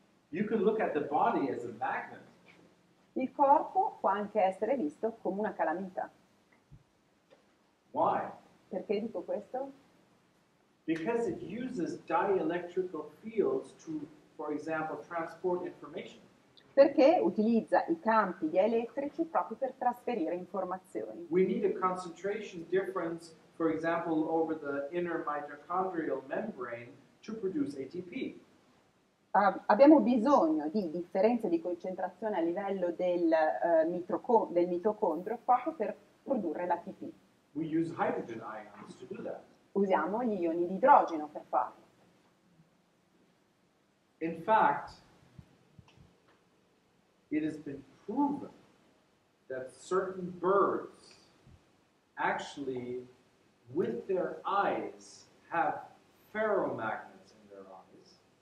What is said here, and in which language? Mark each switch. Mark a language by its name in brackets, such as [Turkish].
[English] You can look at the body as a magnet. [Italian] Il corpo può anche essere visto come una calamita. [English] Why? [Italian] Perché dico questo? [English] Because it uses dielectrical fields to, for example, transport information. [Italian] Perché utilizza i campi dielettrici proprio per trasferire informazioni. [English] We need a concentration difference, for example, over the inner mitochondrial membrane to produce ATP. [Italian] Abbiamo bisogno di differenze di concentrazione a livello del mitocondrio proprio per produrre l'ATP. [English] We use hydrogen ions to do that. [Italian] Usiamo gli ioni di idrogeno per farlo. [English] In fact, it has been proven that certain birds actually, with their eyes, have ferromagnets in their eyes.